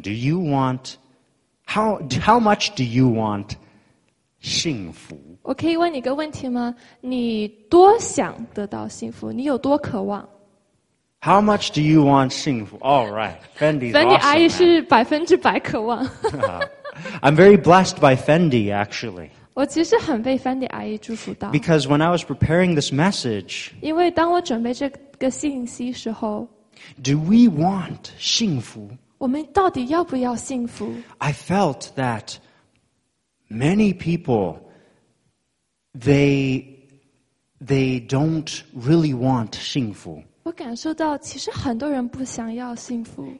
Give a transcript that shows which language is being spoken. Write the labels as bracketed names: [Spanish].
[English] Do you want how much do you want? [Chinese] 幸福。我可以问你一个问题吗？你多想得到幸福？你有多渴望 [English] ？How much do you want 幸福 ？All right, Fendi. [Chinese] Fendi 阿姨是100%渴望。 [English] I'm very blessed by Fendi, actually. [Chinese] 我其实很被 Fendi 阿姨祝福到。 [English] Because when I was preparing this message, [Chinese] 因为当我准备这个信息时候 [English] ，Do we want 幸福？ [Chinese] 我们到底要不要幸福 [English] ？I felt that. Many people, they don't really want 幸福。 [Chinese] 我感受到其实很多人不想要幸福。